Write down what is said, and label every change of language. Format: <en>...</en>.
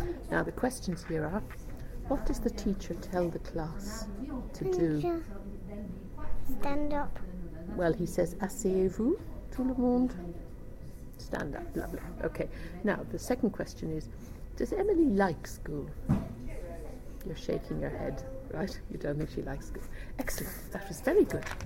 <en>Now the questions here are, what does the teacher tell the class to do? Stand up. Well, he says,</en> <fr>asseyez-vous, tout le monde.</fr> <en>Stand up. Lovely. Okay. Now, the second question is, does Emily like school? You're shaking your head, right? You don't think she likes school. Excellent. That was very good.</en>